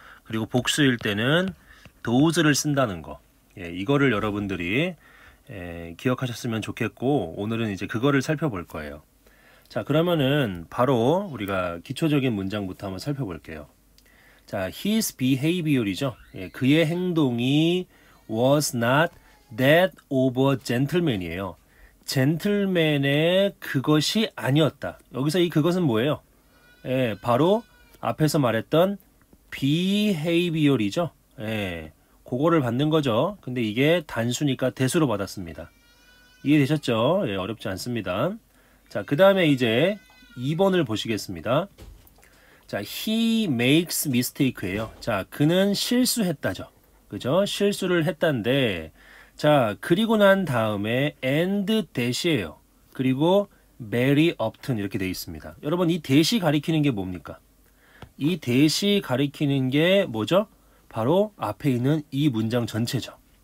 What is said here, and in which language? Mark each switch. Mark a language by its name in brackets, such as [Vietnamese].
[Korean] 그리고 복수일 때는 those를 쓴다는 거. 예, 이거를 여러분들이 기억하셨으면 좋겠고, 오늘은 이제 그거를 살펴볼 거예요. 자, 그러면은 바로 우리가 기초적인 문장부터 한번 살펴볼게요. 자, [English] his behavior [Korean] 이죠. 예, 그의 행동이 [English] was not that of a gentleman [Korean] 이에요. 젠틀맨의 그것이 아니었다. 여기서 이 그것은 뭐예요? 예, 바로 앞에서 말했던 behavior이죠. 예, 그거를 받는 거죠. 근데 이게 단수니까 대수로 받았습니다. 이해되셨죠? 예, 어렵지 않습니다. 자, 그 다음에 이제 2번을 보시겠습니다. 자, [English] he makes mistake [Korean] 예요. 자, 그는 실수했다죠. 그죠? 실수를 했다인데, 자, 그리고 난 다음에 and dash예요. 그리고 [English] very often [Korean] 이렇게 돼 있습니다. 여러분, 이 dash 가리키는 게 뭡니까? 이 dash 가리키는 게 뭐죠? 바로 앞에 있는 이 문장 전체죠.